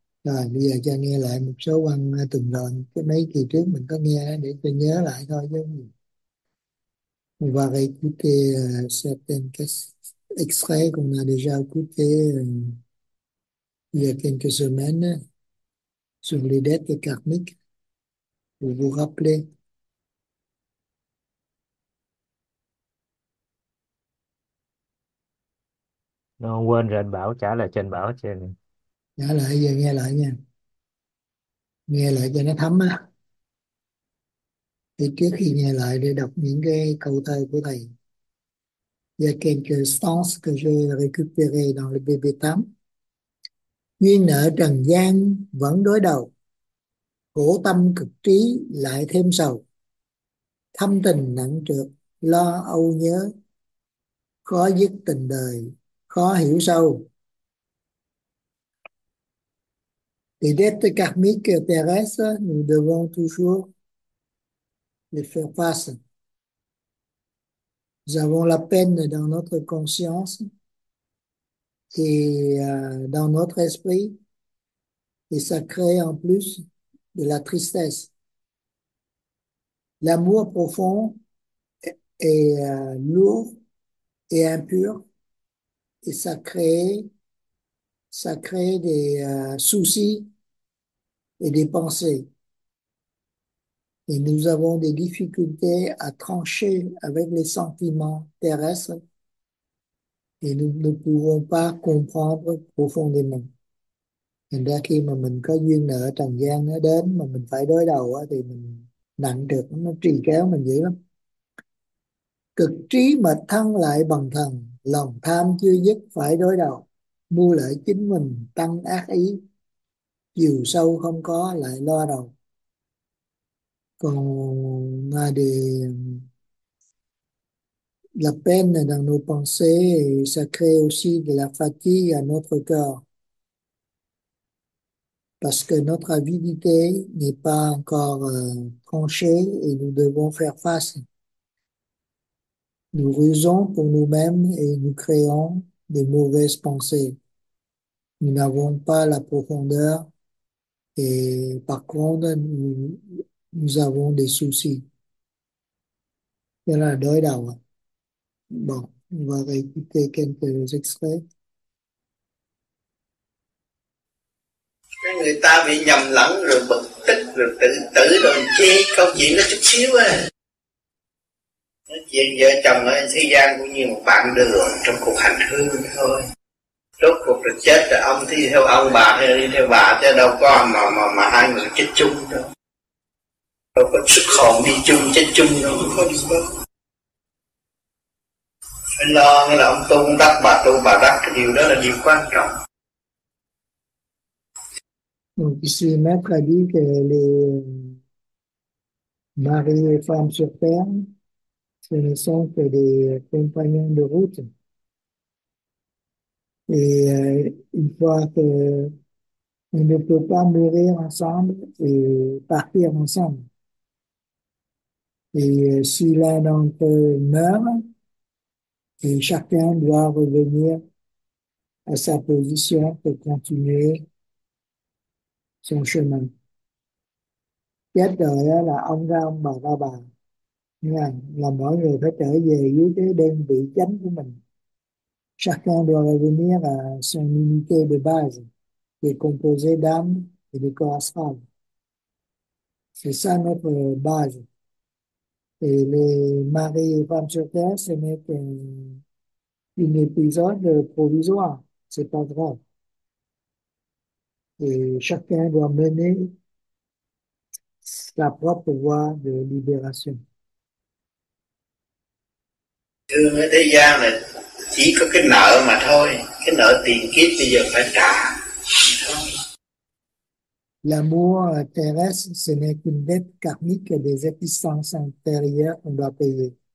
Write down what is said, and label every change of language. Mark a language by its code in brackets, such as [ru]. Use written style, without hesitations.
[vi] Rồi bây giờ cho nghe lại một số văn tuần rồi, cái mấy kỳ trước mình có nghe để tôi nhớ lại thôi chứ. Và cái [fr] écouter certains extraits qu'on a déjà écouté il y a quelques semaines sur les dettes karmiques. Vous vous rappelez? [vi] Nó quên rồi, anh bảo trả lại trên bảo trên. Nhớ lại, giờ nghe lại nha. Nghe lại cho nó thấm á. Thì trước khi nghe lại để đọc những cái câu thơ của thầy. [fr] Il y a quelques stances que j'ai récupérées dans le BB8. [vi] Duyên nợ trần gian vẫn đối đầu. Khổ tâm cực trí lại thêm sầu, thâm tình nặng trược lo âu nhớ, khó dứt tình đời khó hiểu sâu. [fr] Les dettes karmiques terrestres, nous devons toujours les faire face. Nous avons la peine dans notre conscience et dans notre esprit, et ça crée en plus de la tristesse. L'amour profond est lourd et impur, et ça crée des soucis et des pensées. Et nous avons des difficultés à trancher avec les sentiments terrestres, et nous ne pouvons pas comprendre profondément. [vi] Thành ra khi mà mình có duyên nợ trần gian nó đến mà mình phải đối đầu á, thì mình nặng trịch, nó trì kéo mình dữ lắm. Cực trí mà thân lại bần thần, lòng tham chưa dứt phải đối đầu. Mưu lợi chính mình tăng ác ý, chiều sâu không có lại lo đầu. Còn là đi [fr] la peine dans nos pensées, ça crée aussi de la fatigue à notre corps. Parce que notre avidité n'est pas encore tranchée et nous devons faire face. Nous rusons pour nous-mêmes et nous créons des mauvaises pensées. Nous n'avons pas la profondeur et par contre, nous avons des soucis. Voilà, đối đầu. Bon, on va écouter quelques extraits. [vi] Người ta bị nhầm lẫn rồi bực tức rồi tự tử rồi chê câu chuyện nó chút xíu à, nói chuyện vợ chồng ở thế gian cũng như một bạn đường trong cuộc hành hương thôi, rốt cuộc rồi chết rồi ông thì theo ông, bà thì đi theo bà, chứ đâu có mà hai người chết chung đâu, đâu có sức hồn đi chung chết chung đâu, không có phải lo là ông tu cũng đắc bà tu bà đắc, cái điều đó là điều quan trọng. [fr] Donc ici, Maître a dit que les maris et femmes sur terre, ce ne sont que des compagnons de route. Et une fois qu'on ne peut pas mourir ensemble et partir ensemble. Et si l'un d'entre eux meurt, et chacun doit revenir à sa position pour continuer son chemin. [vi] Chết rồi là ông ra ông, bà ra bà, nhưng là mỗi người phải trở về với cái đơn vị chánh của mình. [fr] Chacun doit revenir à son unité de base qui est composée d'âme et de corps astral. C'est ça notre base. Et les maris et femmes sur terre, ce n'est qu'un épisode provisoire. C'est pas grave. Et chacun doit mener sa propre voie de libération. [vi] Thương ở thế gian này chỉ có cái nợ mà thôi, cái nợ tiền kiếp bây giờ phải trả. [fr] L'amour terrestre, ce n'est qu'une dette karmique des existences antérieures qu'on doit payer.